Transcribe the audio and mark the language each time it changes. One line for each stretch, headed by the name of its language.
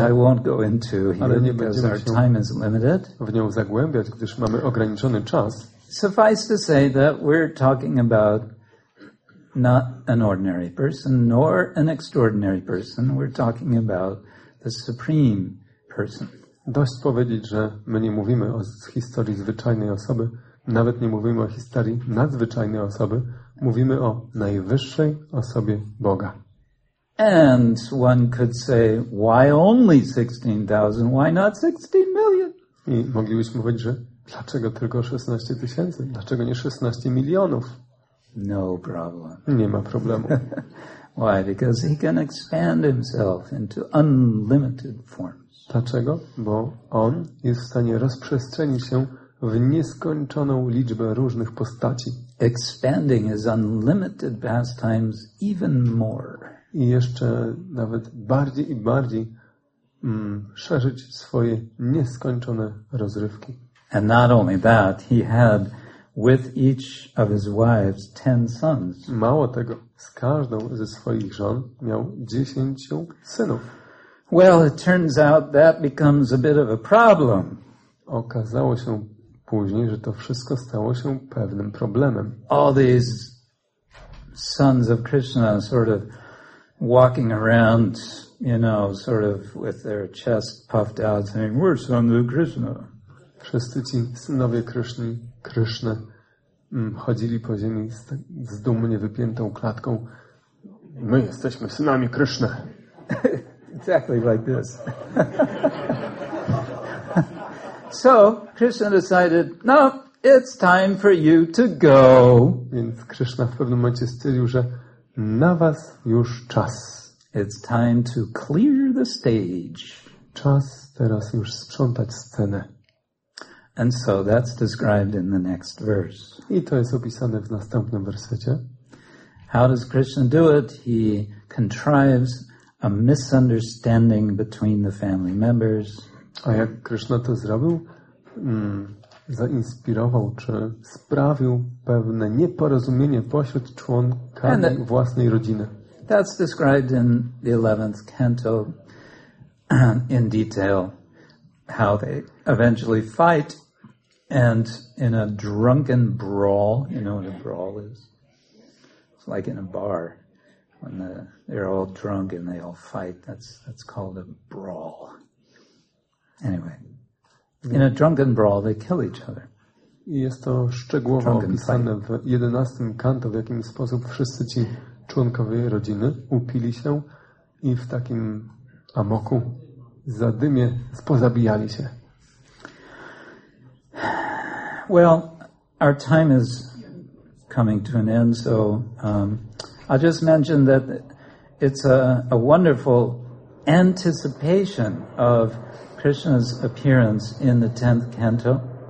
English: Which I won't go into here because our time is limited.
Polish: W nią zagłębiać, gdyż mamy ograniczony czas.
English: Suffice to say that we're talking about not an ordinary person nor an extraordinary person. We're talking about the supreme person.
Polish: Dość powiedzieć, że my nie mówimy o historii zwyczajnej osoby, nawet nie mówimy o historii nadzwyczajnej osoby. Mówimy o najwyższej osobie Boga.
English: And one could say, why only 16,000? Why not 16 million?
Polish: I moglibyśmy powiedzieć, że dlaczego tylko 16 tysięcy? Dlaczego nie 16 milionów?
English: No problem.
Polish: Nie ma problemu.
English: Why? Because he can expand himself into unlimited forms.
Polish: Dlaczego? Bo on jest w stanie rozprzestrzenić się w nieskończoną liczbę różnych postaci.
English: Expanding his unlimited pastimes even more.
Polish: I jeszcze nawet bardziej i bardziej szerzyć swoje nieskończone rozrywki.
English: And not only that, he had with each of his wives 10 sons.
Polish: Mało tego, z każdą ze swoich żon miał 10 synów.
English: Well, it turns out that becomes a bit of a problem.
Polish: Okazało się później, że to wszystko stało się pewnym problemem.
English: All these sons of Krishna sort of walking around, you know, sort of with their chest puffed out, saying, "We're sons of Krishna."
Polish: Wszyscy ci synowie Kryszny, Kryszny chodzili po ziemi z dumnie wypiętą klatką. My jesteśmy synami Kryszny.
English: Exactly like this. So Krishna decided, no, it's time for you to go.
Polish: Więc Krishna w pewnym momencie stwierdził, że na was już czas.
English: It's time to clear the stage.
Polish: Czas teraz już sprzątać scenę.
English: And so that's described in the next verse.
Polish: I to jest opisane w następnym wersecie.
English: How does Krishna do it? He contrives a misunderstanding between the family members.
Polish: A jak Krishna to zrobił? Zainspirował, czy sprawił pewne nieporozumienie pośród członkami that, własnej rodziny.
English: That's described in the 11th canto in detail how they eventually fight and in a drunken brawl. You know what a brawl is? It's like in a bar when they're all drunk and they all fight. That's called a brawl. Anyway, in a drunken brawl, they kill each other.
Polish: Jest to szczegółowo opisane w 11 kanto, w jakim sposób wszyscy ci członkowie rodziny upili się i w takim amoku, zadymie, pozabijali się.
English: Well, our time is coming to an end, so I just mentioned that it's a wonderful anticipation of Krishna's appearance in the 10th canto.